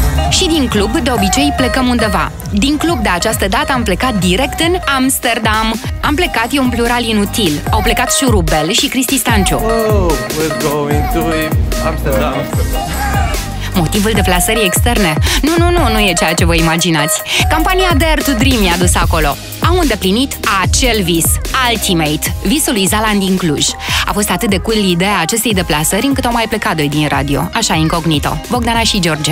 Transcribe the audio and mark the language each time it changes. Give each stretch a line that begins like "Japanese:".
Romanian: Și din club, de obicei, plecăm undeva. Din club de această dată am plecat direct în Amsterdam. Am plecat, e un plural inutil. Au plecat Șurubel și Cristi Stanciu.
English: Oh, we're going to Amsterdam.
Romanian: Motivul de plasării externe? Nu e ceea ce vă imaginați. Campania Dare to Dream i-a dus acolo. Au îndeplinit acel vis, Ultimate, visul lui Zalan din Cluj. A fost atât de cool ideea acestei deplasări încât au mai plecat doi din radio, așa incognito, Bogdana și George.